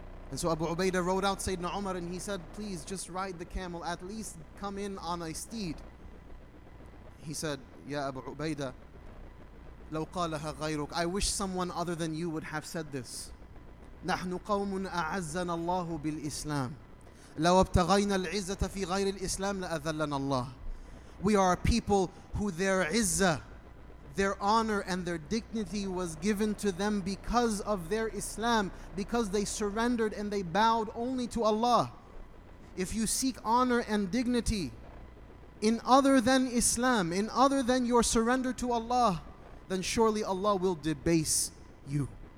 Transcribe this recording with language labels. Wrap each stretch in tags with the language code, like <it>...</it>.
<en>And so Abu Ubaidah rode out Sayyidina Umar and he said, please just ride the camel, at least come in on a steed. He said, Ya Abu Ubaidah,</en> <ar>لو قالها غيرك,</ar> <en>I wish someone other than you would have said this.</en> <ar>نحن قوم أعزنا الله بالإسلام. لو ابتغينا العزة في غير الإسلام لأذلنا الله.</ar> <en>We are a people who their izzah, their honor and their dignity was given to them because of their Islam, because they surrendered and they bowed only to Allah. If you seek honor and dignity in other than Islam, in other than your surrender to Allah, then surely Allah will debase you.</en>